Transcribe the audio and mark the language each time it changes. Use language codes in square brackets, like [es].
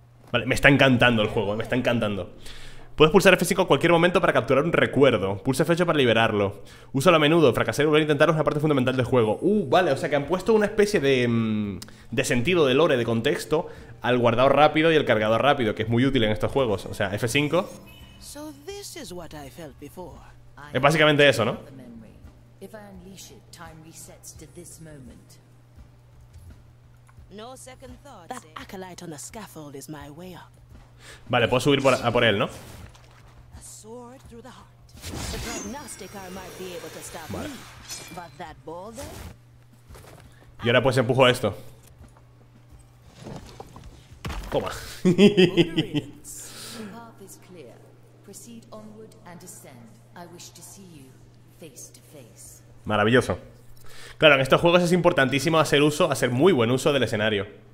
[es] Vale, me está encantando el juego, me está encantando. Puedes pulsar F5 en cualquier momento para capturar un recuerdo. Pulsa F8 para liberarlo. Úsalo a menudo, fracasar y volver a intentarlo es una parte fundamental del juego. Vale, o sea que han puesto una especie de sentido, de lore, de contexto al guardado rápido y al cargado rápido, que es muy útil en estos juegos. O sea, F5. [en] So this is what I felt before. [es] Es básicamente eso, ¿no? [en] If I unleash it, time resets to this moment. No second thoughts. That acolyte on the scaffold is my way up. [es] Vale, puedo subir por él, ¿no? [en] A sword through the heart. The prognosticar might be able to stop me. But that boulder. [es] Y ahora pues empujo esto. Toma. [en] The path is clear. Proceed onward and ascend. I wish to see you face to face. [es] Maravilloso. Claro, en estos juegos es importantísimo hacer uso, hacer muy buen uso del escenario.